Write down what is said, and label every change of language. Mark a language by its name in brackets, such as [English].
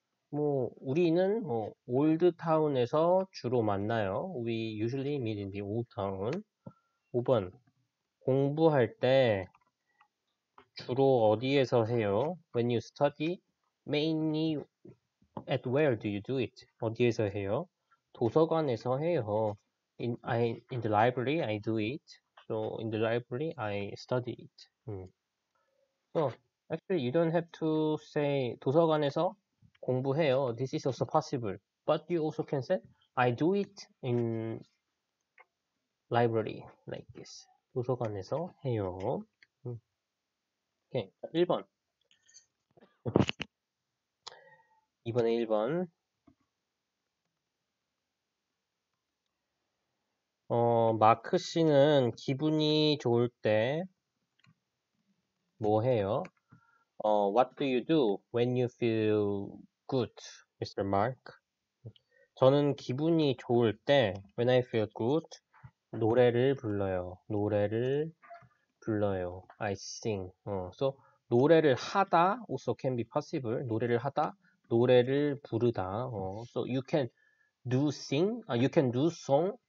[Korean] 뭐, 우리는 뭐, 올드 타운에서 주로 만나요. [English] We usually meet in the old town. [Korean] 5번. 공부할 때 주로 어디에서 해요? [English] When you study, mainly at where do you do it? [Korean] 어디에서 해요? 도서관에서 해요. [English] In the library, I do it. So, in the library, I study it. So, actually, you don't have to say [Korean] 도서관에서 공부해요. [English] This is also possible. But you also can say I do it in library, like this. [Korean] 도서관에서 해요. [English] Okay, [Korean] 1번. 이번에 1번. 마크 씨는 기분이 좋을 때뭐 해요? [English] What do you do when you feel good, Mr. [Korean] Mark? 저는 기분이 좋을 때 [English] when I feel good [Korean] 노래를 불러요. 노래를 불러요. [English] I sing. So [Korean] 노래를 하다 [English] also can be possible. [Korean] 노래를 하다, 노래를 부르다. [English] So you can do sing, you can do song.